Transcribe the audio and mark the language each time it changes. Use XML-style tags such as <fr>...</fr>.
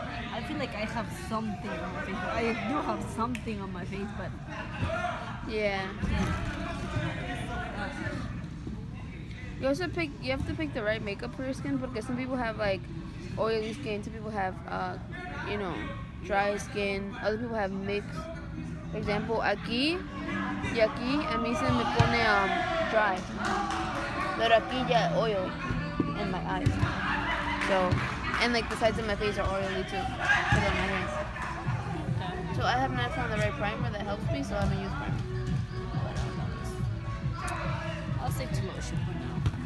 <en>I feel like I have something on my face. I do have something on my face, but yeah. You also pick. You have to pick the right makeup for your skin because some people have like oily skin. Some people have you know, dry skin. Other people have mixed.</en> <es>For example, aquí y aquí a mí se me pone</es> <en>dry,</en> <es>pero aquí ya</es> <en>oil in my eyes. So. And like the sides of my face are oily too. Because of my hands. So I have not found the right primer that helps me, so I haven't used primer. I'll stick to lotion for now.</en>